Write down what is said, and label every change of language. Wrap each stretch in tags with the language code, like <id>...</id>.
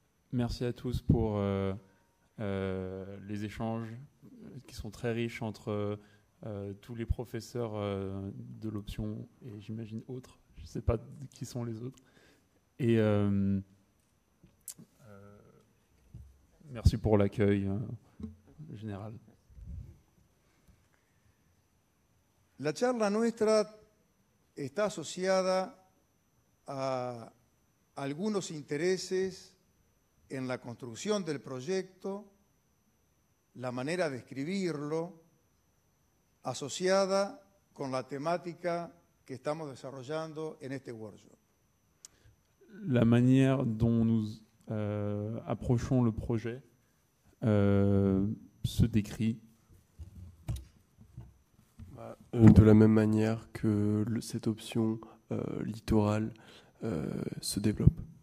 <fr>Merci a tous pour les échanges qui sont très riches entre tous les professeurs de l'option et j'imagine autres, je ne sais pas qui sont les autres. Et merci pour l'accueil général.</fr> <es>La charla nuestra está asociada a algunos intereses en la construcción del proyecto, la manera de escribirlo, asociada con la temática que estamos desarrollando en este workshop.</es> <fr>La manière dont nous approchons le projet se décrit de la même manière que cette option littorale se développe.</fr>